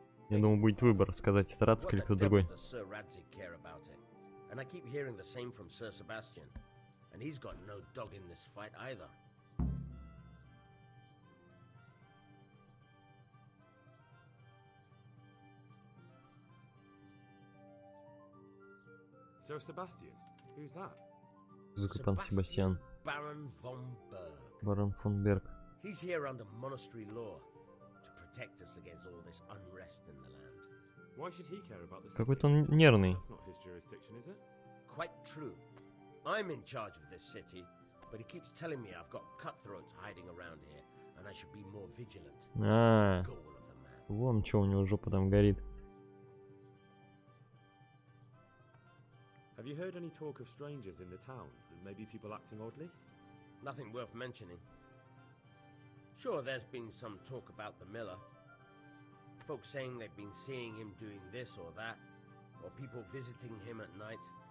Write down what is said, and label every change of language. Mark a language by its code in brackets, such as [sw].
[ru] Я думал, будет выбор, сказать это Радзик или кто-то другой. [en] What the devil does Sir Radzik care about it? And I keep hearing the same from Sir Sebastian. And he's got no dog in this fight either. Sir Sebastian? Who's that? [ru] Капитан Себастьян. [en] Baron von Berg. [ru] Барон фон Берг. [en] He's here under monastery law. Protect us against all this unrest in the land. Why should he care about this? [ru] Какой-то он нервный. [en] That's not his jurisdiction, is it? Quite true. I'm in charge of this city, but he keeps telling me I've got cutthroats hiding around here, and I should be more vigilant. [ru] Вон что у него жопа там горит. [en] Have you heard any talk of strangers in the town? Maybe people acting oddly? Nothing worth mentioning. Sure, there's been some talk about the miller. Folks saying they've been seeing him doing this or that, or people visiting him at night.